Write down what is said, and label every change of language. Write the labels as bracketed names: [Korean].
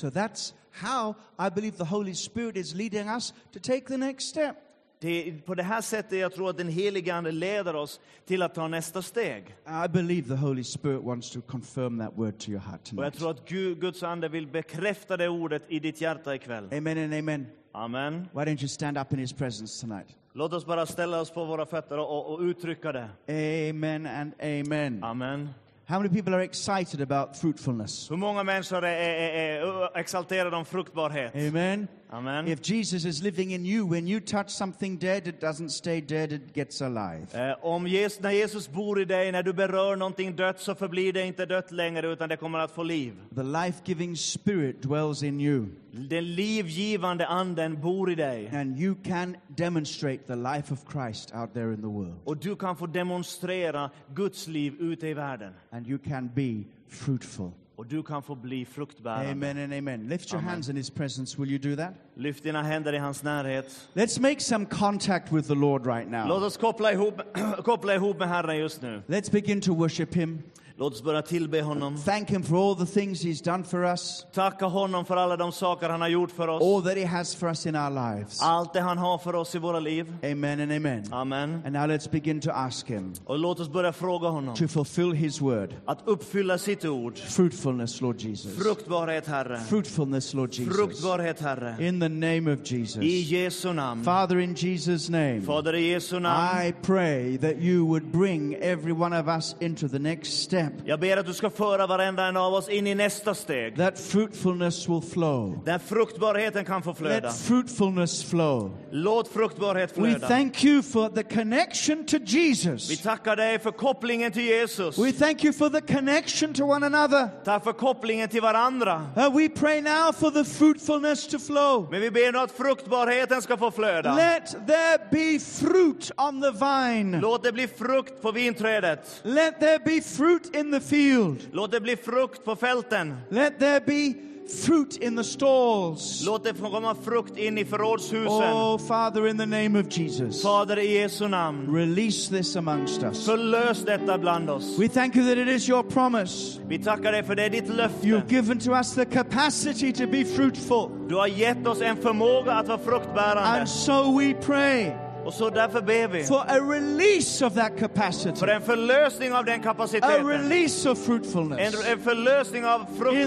[English] So that's how I believe the Holy Spirit is leading us to take the next step. [Swedish] På det här sättet jag tror att den helige ande leder oss till att ta nästa steg. [English] I believe the Holy Spirit wants to confirm that word to your heart tonight. [Swedish] Och jag tror att Guds ande vill bekräfta det ordet i ditt hjärta ikväll. [English] Amen and amen. [Swedish] Amen. [English] Why don't you stand up in his presence tonight? [Swedish] Låt oss bara ställa oss på våra fötter och uttrycka det. [English] Amen and amen. [Swedish] Amen. [English] How many people are excited about fruitfulness? [Swedish] Hur många människor är exalterade om fruktbarhet? [English] Amen. [Swedish] Amen. [English] If Jesus is living in you, when you touch something dead, it doesn't stay dead, it gets alive. [Swedish] När Jesus bor i dig, när du berör någonting dött, så förblir det inte dött längre, utan det kommer att få liv. [English] The life-giving spirit dwells in you. [Swedish] Den livgivande anden bor i dig. [English] And you can demonstrate the life of Christ out there in the world. [Swedish] Och du kan få demonstrera Guds liv ute i världen. [English] And you can be fruitful. [Swedish] Och du kan få bli fruktbärande. [English] Amen and amen. Lift your hands in his presence. Will you do that? [Swedish] Lyft dina händer i hans närhet. [English] Let's make some contact with the Lord right now. [Swedish] Låt oss koppla ihop med Herren just nu. [English] Let's begin to worship him. [Swedish] Låt oss börja tillbe honom. [English] Thank him for all the things he's done for us. [Swedish] Tacka honom för alla de saker han har gjort för oss. [English] All that he has for us in our lives. [Swedish] Allt det han har för oss i våra liv. [English] Amen and amen. [Swedish] Amen. [English] And now let's begin to ask him. [Swedish] Och låt oss börja fråga honom. [English] To fulfill his word. [Swedish] Att uppfylla sitt ord. [English] Fruitfulness, Lord Jesus. [Swedish] Fruktbarhet, Herre. [English] Fruitfulness, Lord Jesus. [Swedish] Fruktbarhet, Herre. [English] In the name of Jesus. [Swedish] I Jesu namn. [English] Father, in Jesus' name. [Swedish] Fader, i Jesu namn. [English] I pray that you would bring every one of us into the next step. [Swedish] Jag ber att du ska föra varenda en av oss in i nästa steg. [English] That fruitfulness will flow. [Swedish] Där fruktbarheten kan få flöda. [English] Let fruitfulness flow. [Swedish] Låt fruktbarhet flöda. [English] We thank you for the connection to Jesus. [Swedish] Vi tackar dig för kopplingen till Jesus. [English] We thank you for the connection to one another. [Swedish] Tack för kopplingen till varandra. [English] We pray now for the fruitfulness to flow. [Swedish] Men vi ber nu att fruktbarheten ska få flöda. [English] Let there be fruit on the vine. [Swedish] Låt det bli frukt på vinträdet. [English] Let there be fruit in the field. [Swedish] Låt det bli frukt på fälten. [English] Let there be fruit in the stalls. [Swedish] Låt det komma frukt in i förrådshusen. [English] Oh, Father, in the name of Jesus. [Swedish] Fader, i Jesu namn. [English] Release this amongst us. [Swedish] Förlös detta bland oss. [English] We thank you that it is your promise. [Swedish] Vi tackar dig för det är ditt löfte. [English] You've given to us the capacity to be fruitful. [Swedish] Du har gett oss en förmåga att vara fruktbärande. [English] And so we pray. [Swedish] Och så därför ber vi. [English] For a release of that capacity. [Swedish] För en förlösning av den kapaciteten. [English] A release of fruitfulness. [Swedish] En förlösning av fruktbarhet.